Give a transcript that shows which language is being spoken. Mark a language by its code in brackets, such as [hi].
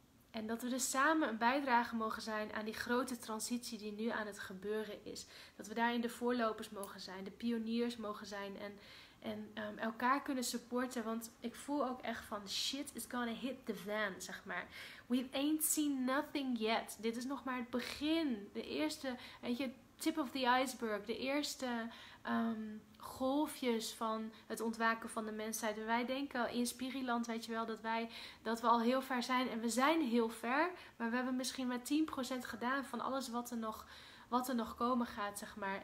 [nl] En dat we dus samen een bijdrage mogen zijn aan die grote transitie die nu aan het gebeuren is. Dat we daarin de voorlopers mogen zijn, de pioniers mogen zijn en elkaar kunnen supporten. Want ik voel ook echt van [en] shit is gonna hit the fan, [nl] zeg maar. [en] We ain't seen nothing yet. [nl] Dit is nog maar het begin. De eerste, weet je, [en] tip of the iceberg. [nl] De eerste golfjes van het ontwaken van de mensheid. En wij denken in Spiriland, weet je wel, dat we al heel ver zijn. En we zijn heel ver, maar we hebben misschien maar 10% gedaan van alles wat er nog komen gaat, zeg maar.